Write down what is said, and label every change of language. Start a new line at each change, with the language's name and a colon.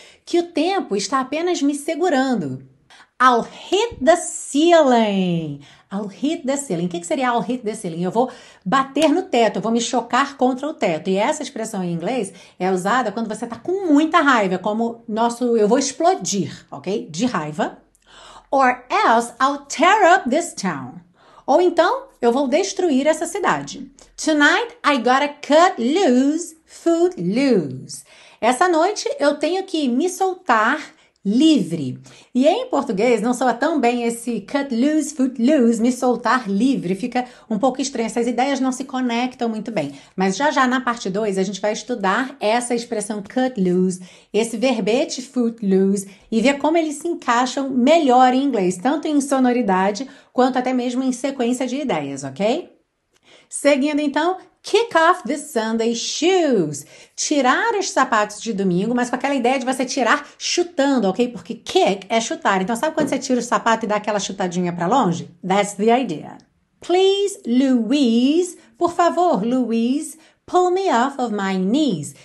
Portuguese: Que o tempo está apenas me segurando.
English: I'll hit the ceiling. I'll hit the ceiling.
Portuguese: O que seria
English: I'll hit the ceiling?
Portuguese: Eu vou bater no teto, eu vou me chocar contra o teto. E essa expressão em inglês é usada quando você está com muita raiva, como nosso eu vou explodir, ok? De raiva.
English: Or else I'll tear up this town.
Portuguese: Ou então eu vou destruir essa cidade.
English: Tonight I gotta cut loose, foot loose.
Portuguese: Essa noite eu tenho que me soltar livre. E em português não soa tão bem esse
English: cut loose, foot loose,
Portuguese: me soltar livre. Fica um pouco estranho, essas ideias não se conectam muito bem. Mas já já na parte 2 a gente vai estudar essa expressão cut loose, esse verbete foot loose e ver como eles se encaixam melhor em inglês, tanto em sonoridade quanto até mesmo em sequência de ideias, ok? Seguindo então,
English: Kick off the Sunday shoes.
Portuguese: Tirar os sapatos de domingo, mas com aquela ideia de você tirar chutando, ok? Porque kick é chutar. Então, sabe quando você tira o sapato e dá aquela chutadinha para longe?
English: That's the idea. Please, Louise,
Portuguese: por favor,
English: Louise, pull me off of my knees.